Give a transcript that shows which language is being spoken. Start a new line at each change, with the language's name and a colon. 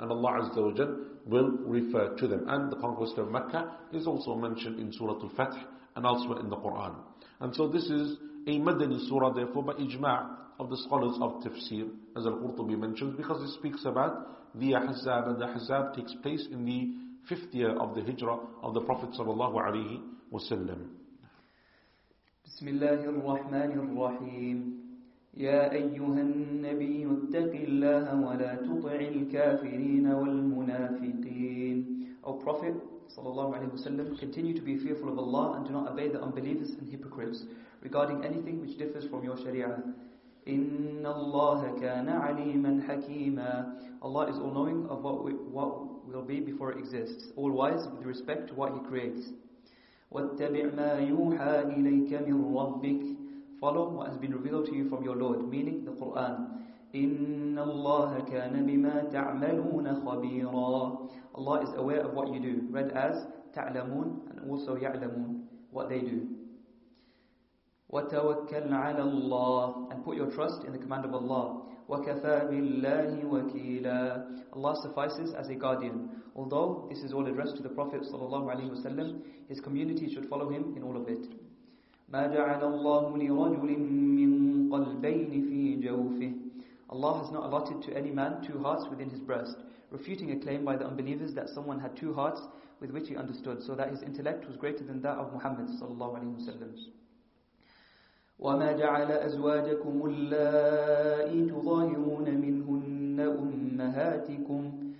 English: And Allah Azza wa Jal will refer to them. And the conquest of Mecca is also mentioned in Surah Al-Fath and elsewhere in the Quran. And so this is a Madani surah, therefore, by ijma' of the scholars of tafsir, as Al-Qurtubi mentions, because it speaks about the Ahzab, and the Ahzab takes place in the 5th year of the Hijrah of the Prophet sallallahu alaihi wasallam.
Arabic: بسم الله الرحمن الرحيم يا أيها النبي اتق الله ولا تطع الكافرين والمنافقين.
English: O Prophet
Arabic: صلى الله عليه وسلم,
English: continue to be fearful of Allah and do not obey the unbelievers and hypocrites regarding anything which differs from your Sharia.
Arabic: إن الله كان عليما حكيما.
English: Allah is all knowing of what will be before it exists, all wise with respect to what He creates.
Arabic: واتبع ما يوحى إليك من ربك.
English: Follow what has been revealed to you from your Lord, meaning the Quran.
Arabic: إن الله كان بما تعملون خبيرا.
English: Allah is aware of what you do, read as تعلمون and also يعلمون, what they do.
Arabic: وتوكل على الله,
English: and put your trust in the command of Allah.
Arabic: وكفى بالله وكيلا.
English: Allah suffices as a guardian. Although this is all addressed to the Prophet sallallahu alaihi wasallam, his community should follow him in all of it.
Arabic: ما جعل الله لرجل من قلبين في جوفه.
English: Allah has not allotted to any man two hearts within his breast, refuting a claim by the unbelievers that someone had two hearts with which he understood, so that his intellect was greater than that of Muhammad sallallahu alaihi wasallam.
Arabic: وما جعل أزواجكم اللائي تظاهرون منهن أمهاتكم.